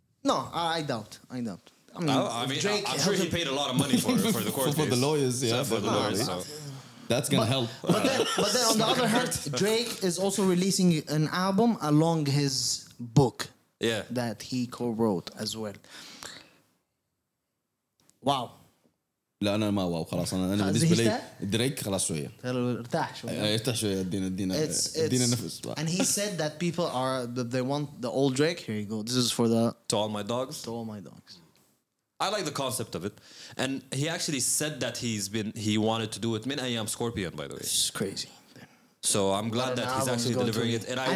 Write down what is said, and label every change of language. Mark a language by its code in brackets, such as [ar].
[en] No, I doubt. I mean, Drake, I'm sure he paid a lot of money for the court case. For the lawyers, yeah. That's going to help. But then on the other hand, Drake is also releasing an album along his book that he co-wrote as well. Wow. [ar] لا انا ما واو خلاص انا انا بالنسبه لي دريك خلاص شويه ارتاح شويه ادينا نفس [en] and he said that people are that they want the old Drake. Here you go, this is for the to all my dogs. I like the concept of it, and he actually said that he wanted to do it من ايام Scorpion, by the way. It's crazy. So I'm glad that he's actually delivering it, and I